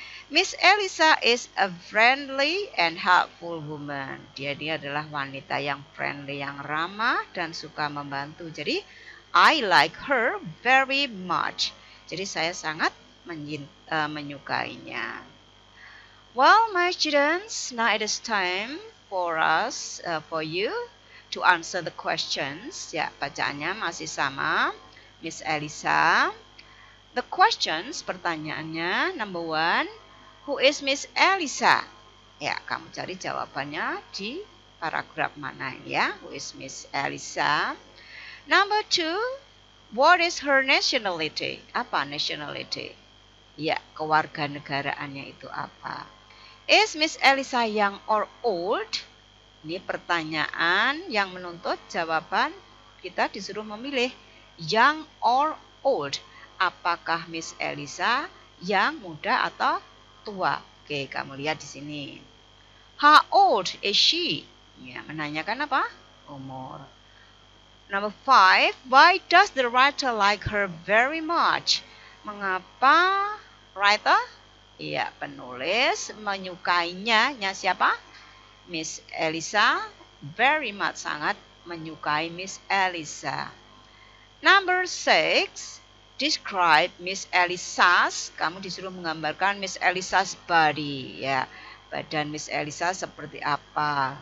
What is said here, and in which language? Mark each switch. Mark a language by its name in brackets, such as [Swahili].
[English] Miss Elisa is a friendly and helpful woman. [Indonesian] Dia adalah wanita yang friendly, yang ramah dan suka membantu. [English] Jadi, I like her very much. [Indonesian] Jadi, saya sangat menyukainya. [English] Well, my students, now it is time for us, for you to answer the questions. [Indonesian] Ya, bacaannya masih sama, Miss Elisa. [English] The questions, pertanyaannya, number one, who is Miss Elisa? [Indonesian] Ya, kamu cari jawabannya di paragraf mana ini ya, who is Miss Elisa? [English] Number two, what is her nationality? [Indonesian] Apa nationality? Ya, kewarganegaraannya itu apa? Is Miss Elisa young or old? Ini pertanyaan yang menuntut jawaban, kita disuruh memilih young or old. Apakah Miss Elisa yang muda atau tua? Oke, kamu lihat di sini. How old is she? Ya, menanyakan apa? Umur. [English] Number five, why does the writer like her very much? [Indonesian] Mengapa writer? Ya, penulis menyukainya. Nya siapa? Miss Elisa, very much, sangat menyukai Miss Elisa. Number six, describe Miss Elisa's, kamu disuruh menggambarkan Miss Elisa's body, ya, badan Miss Elisa seperti apa.